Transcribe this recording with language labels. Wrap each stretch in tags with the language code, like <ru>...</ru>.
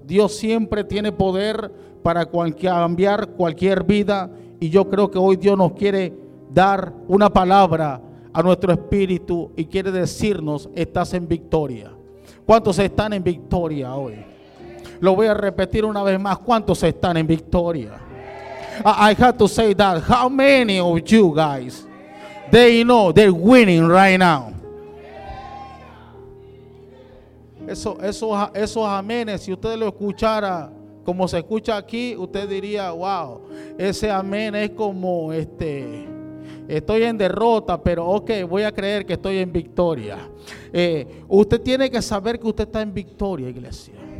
<es>Dios siempre tiene poder para cambiar cualquier vida. Y yo creo que hoy Dios nos quiere dar una palabra a nuestro espíritu y quiere decirnos: estás en victoria. ¿Cuántos están en victoria hoy? Lo voy a repetir una vez más: ¿cuántos están en victoria?</es> <en>I have to say that. How many of you guys, they know they're winning right now?</en> <es>esos amenes, si usted lo escuchara como se escucha aquí, usted diría, wow, ese amén es como estoy en derrota, pero ok, voy a creer que estoy en victoria. Usted tiene que saber que usted está en victoria, iglesia.</es>